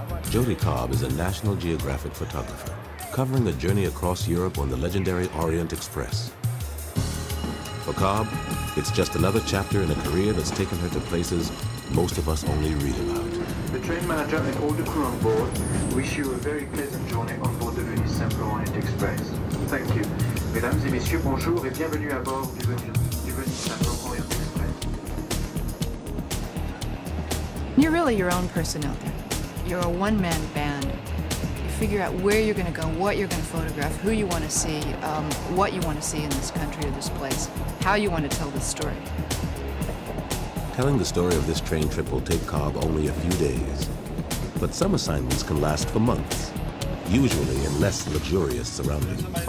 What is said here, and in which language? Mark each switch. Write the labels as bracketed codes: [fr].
[en] Jody Cobb is a National Geographic photographer covering a journey across Europe on the legendary Orient Express. For Cobb, it's just another chapter in a career that's taken her to places most of us only read about. The train manager and all the crew on board wish you a very pleasant journey on board the Venice Semper Orient Express. Thank you. [fr] Mesdames et messieurs, bonjour et bienvenue à bord du Venice Semper Orient Express. [en] You're really your own person out there. You're a one-man band. You figure out where you're going to go, what you're going to photograph, who you want to see, what you want to see in this country or this place, how you want to tell this story. Telling the story of this train trip will take Cobb only a few days. But some assignments can last for months, usually in less luxurious surroundings.